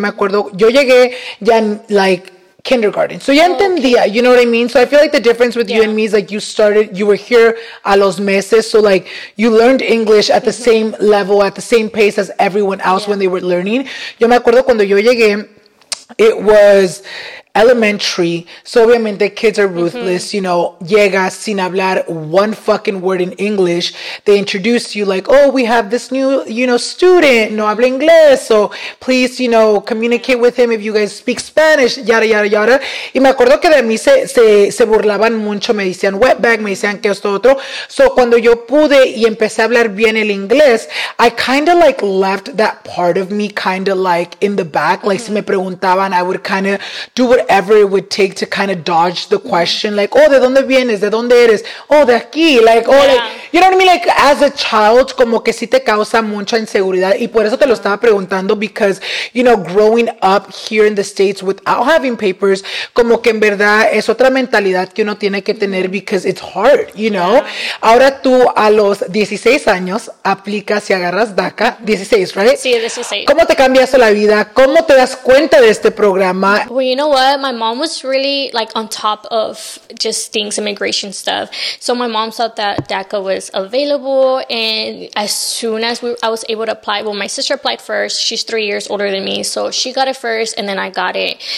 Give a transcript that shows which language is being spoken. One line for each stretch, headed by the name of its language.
Spanish: Yo me acuerdo, yo llegué ya en, like, kindergarten.
English: So
Spanish: ya entendía,
English: you know what I mean? So I feel like the difference with you and me is, like, you were here
Spanish: a los meses.
English: So, like, you learned English at the same level, at the same pace as everyone else when they were learning.
Spanish: Yo me acuerdo cuando yo llegué,
English: it was elementary, so
Spanish: obviamente
English: kids are ruthless, you know.
Spanish: Llega sin hablar
English: one fucking word in English. They introduce you like, oh, we have this new, you know, student,
Spanish: no habla inglés,
English: so please, you know, communicate with him if you guys speak Spanish, yada, yada, yada.
Spanish: Y me acuerdo que de mí se burlaban mucho, me decían wetback, me decían que esto otro.
English: So
Spanish: cuando yo pude y empecé a hablar bien el inglés,
English: I kind of like left that part of me kind of like in the back. Like,
Spanish: si me preguntaban,
English: I would kind of do whatever it would take to kind of dodge the question, like, oh,
Spanish: de donde vienes, de donde eres, oh, de aquí,
English: like, oh, like, you know what I mean? Like, as a child,
Spanish: como que sí te causa mucha inseguridad, y por eso te lo estaba preguntando,
English: because, you know, growing up here in the States without having papers,
Spanish: como que en verdad es otra mentalidad que uno tiene que tener,
English: because it's hard, you know? Yeah.
Spanish: Ahora tú, a los 16 años, aplicas y agarras DACA, 16, right? Sí, 16. ¿Cómo te cambias la vida? ¿Cómo te das cuenta de este programa?
English: Well, you know what, my mom was really like on top of just things, immigration stuff. So my mom thought that DACA was available, and as soon as I was able to apply, well, my sister applied first. She's 3 years older than me, so she got it first, and then I got it.